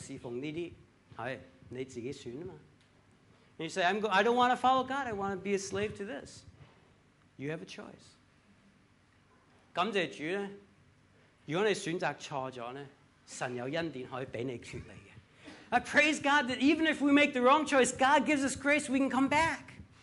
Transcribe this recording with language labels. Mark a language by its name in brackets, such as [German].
[Chinese] 你说我不侍奉神，我侍奉这些，是你自己选的嘛。 [English] And you say, I don't want to follow God. I want to be a slave to this. You have a choice. [Chinese] 感谢主呢，如果你选择错了呢，神有恩典可以给你决定的。 [English] I praise God that even if we make the wrong choice, God gives us grace, we can come back.